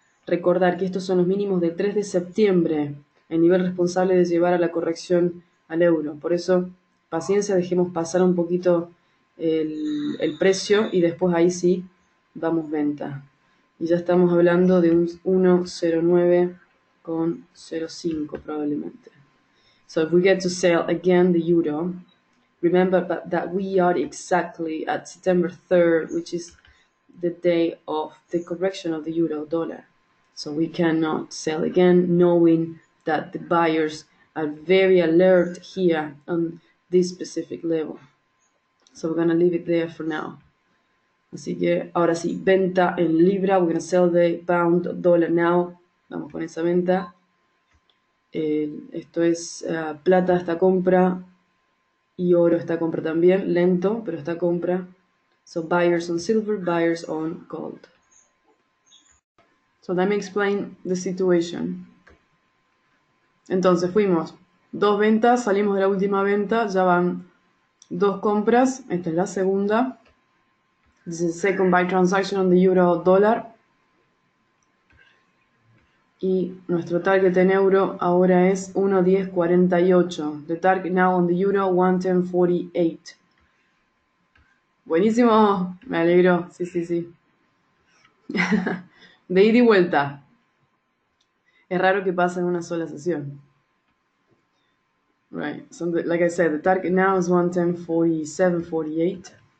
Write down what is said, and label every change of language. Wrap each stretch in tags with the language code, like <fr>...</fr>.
<es>Recordar que estos son los mínimos del 3 de septiembre, el nivel responsable de llevar a la corrección al euro. Por eso, paciencia, dejemos pasar un poquito el precio y después ahí sí damos venta. Y ya estamos hablando de un 1.09 con 0.5 probablemente.</es> <en>So if we get to sell again the euro, remember that we are exactly at September 3rd, which is the day of the correction of the euro dollar. So we cannot sell again knowing that the buyers are very alert here on this specific level. So we're going to leave it there for now.</en> <es>Así que ahora sí, venta en libra.</es> <en>We're going to sell the pound dollar now.</en> <es>Vamos con esa venta. Esto es plata, esta compra. Y oro, esta compra también. Lento, pero esta compra.</es> <en>So buyers on silver, buyers on gold. So let me explain the situation.</en> <es>Entonces fuimos dos ventas, salimos de la última venta, ya van dos compras, esta es la segunda.</es> <en>This is second buy transaction on the euro dollar.</en> <es>Y nuestro target en euro ahora es 1.1048.</es> <en>The target now on the euro 1.1048.</en> <es>Buenísimo, me alegro. Sí, sí, sí. De ida y vuelta. Es raro que pase en una sola sesión.</es> <en>Right. So the, like I said, the target now is 1.1047.48.</en>